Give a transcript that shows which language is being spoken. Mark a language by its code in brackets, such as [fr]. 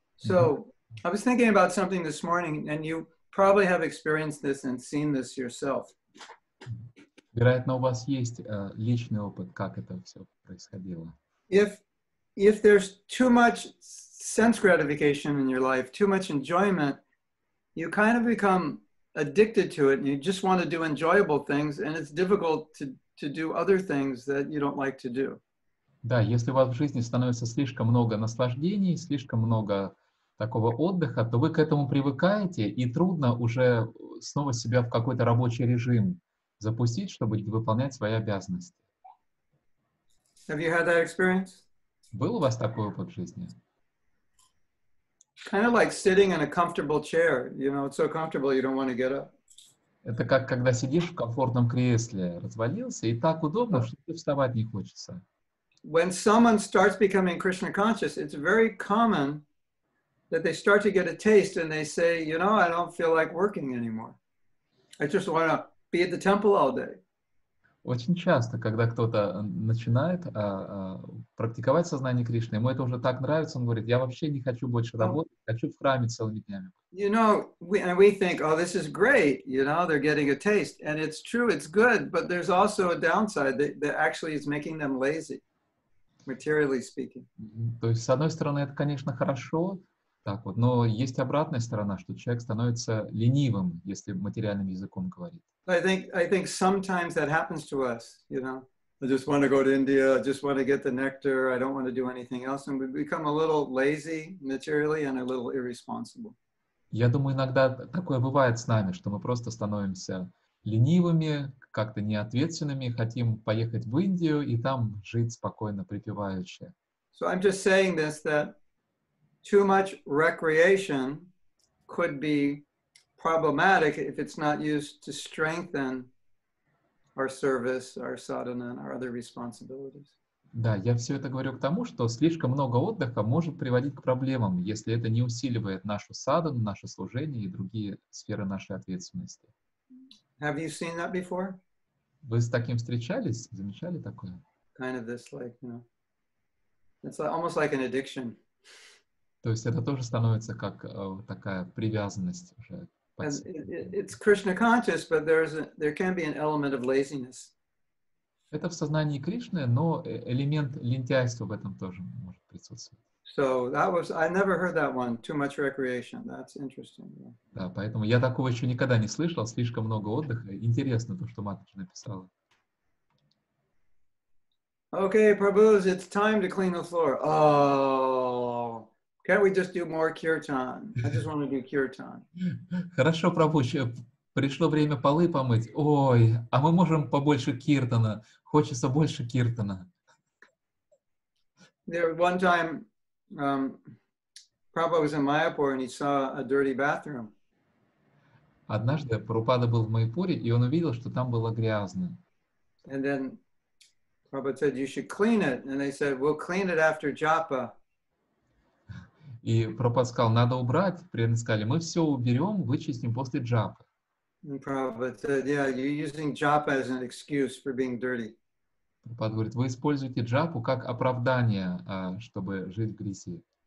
[en] So, mm-hmm. I was thinking about something this morning, and you probably have experienced this and seen this yourself. [ru] Вероятно, у вас есть личный опыт, как это все происходило. [en] If there's too much sense gratification in your life, too much enjoyment, you kind of become addicted to it, and you just want to do enjoyable things, and it's difficult to do other things that you don't like to do. [ru] Да, если у вас в жизни становится слишком много наслаждений, слишком много такого отдыха, то вы к этому привыкаете, и трудно уже снова себя в какой-то рабочий режим запустить, чтобы выполнять свои обязанности. [en] Have you had that experience? [ru] Был у вас такой опыт в жизни? [en] Kind of like sitting in a comfortable chair. You know, it's so comfortable, you don't want to get up. [ru] Это как когда сидишь в комфортном кресле, развалился, и так удобно, что тебе вставать не хочется. [en] When someone starts becoming Krishna conscious, it's very common that they start to get a taste and they say, you know, I don't feel like working anymore. I just want to be at the temple all day. [ru] Очень часто, когда кто-то начинает практиковать сознание Кришны, ему это уже так нравится, он говорит, я вообще не хочу больше работать, хочу в храме целыми днями. [en] You know, we think, oh, this is great, you know, they're getting a taste. And it's true, it's good, but there's also a downside that actually is making them lazy, materially speaking. [ru] То есть, с одной стороны, это, конечно, хорошо, так вот, но есть обратная сторона, что человек становится ленивым, если материальным языком говорит. [en] I think sometimes that happens to us, you know. I just want to go to India, I just want to get the nectar, I don't want to do anything else, and we become a little lazy materially and a little irresponsible. [ru] Я думаю, иногда такое бывает с нами, что мы просто становимся ленивыми, как-то неответственными, хотим поехать в Индию и там жить спокойно, припеваючи. [en] So I'm just saying this, that too much recreation could be problematic if it's not used to strengthen our service, our sadhana, our other responsibilities. [ru] Да, я все это говорю к тому, что слишком много отдыха может приводить к проблемам, если это не усиливает нашу садхану, наше служение и другие сферы нашей ответственности. [en] Have you seen that before? [ru] Вы с таким встречались? Замечали такое? [en] Kind of this, like, you know, it's almost like an addiction. [ru] То есть это тоже становится как такая привязанность уже. [en] It's Krishna conscious, but there can be an element of laziness. [ru] Это в сознании Кришны, но элемент лентяйства в этом тоже может присутствовать. [en] So that was, I never heard that one, too much recreation. That's interesting. [ru] Да, поэтому я такого еще никогда не слышал, слишком много отдыха. Интересно то, что Матаджи написала. [en] Okay, Prabhus, it's time to clean the floor. Oh, can't we just do more kirtan? I just want to do kirtan. [ru] Хорошо, Прабху, пришло время полы помыть. Ой, а мы можем побольше киртана. Хочется больше киртана. [en] There was one time Prabhupada was in Mayapur and he saw a dirty bathroom. [ru] Однажды Прабхупада был в Майпуре, и он увидел, что там было грязно. [en] And then Prabhupada said, you should clean it. And they said, we'll clean it after japa. [ru] И Прабхупада сказал, надо убрать. Преданные сказали, мы все уберем, вычистим после джапы. [en] And Prabhupada said, yeah, you're using japa as an excuse for being dirty. [ru] Прабхупада говорит, вы используете джапу как оправдание, чтобы жить в грязи.